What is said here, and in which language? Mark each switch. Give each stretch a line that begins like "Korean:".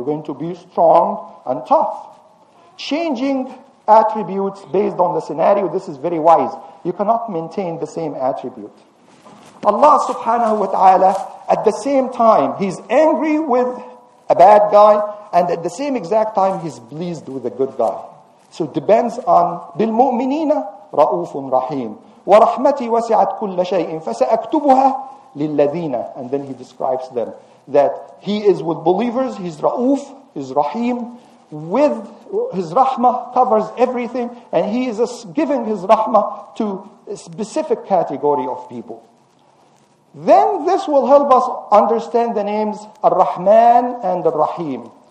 English: You're going to be strong and tough. Changing attributes based on the scenario, this is very wise. You cannot maintain the same attribute. Allah subhanahu wa ta'ala, at the same time, He's angry with a bad guy, and at the same exact time, He's pleased with a good guy. So it depends on
Arabic: بِالْمُؤْمِنِينَ رَؤُوفٌ رَحِيمٌ وَرَحْمَتِي وَسِعَتْ كُلَّ شَيْءٍ فَسَأَكْتُبُهَا لِلَّذِينَ.
English: And then He describes them, that He is with believers, He's Ra'uf, He's Rahim, with His Rahmah covers everything, and He is giving His Rahmah to a specific category of people. Then this will help us understand the names Ar-Rahman and Ar-Rahim.